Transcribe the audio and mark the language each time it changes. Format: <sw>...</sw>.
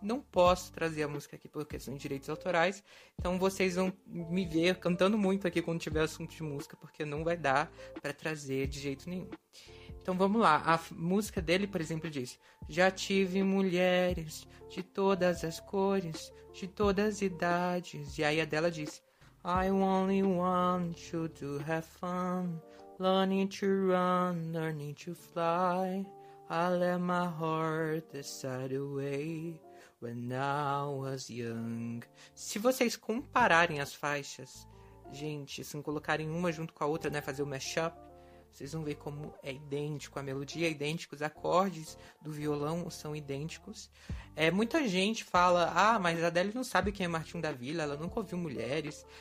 <pt>Não posso trazer a música aqui por questão de direitos autorais, então vocês vão me ver cantando muito aqui quando tiver assunto de música, porque não vai dar para trazer de jeito nenhum. Então vamos lá, a música dele, por exemplo, diz: Já tive mulheres de todas as cores, de todas as idades. E aí a dela diz:</pt> <en>I only want you to have fun, learning to run, learning to fly. I let my heart decide the way when I was young.</en> <pt>Se vocês compararem as faixas, gente, se colocarem uma junto com a outra, né, fazer o mashup, vocês vão ver como é idêntico, a melodia é idêntica, os acordes do violão são idênticos. Muita gente fala: ah, mas a Adele não sabe quem é Martim da Vila, ela nunca ouviu Mulheres.</pt>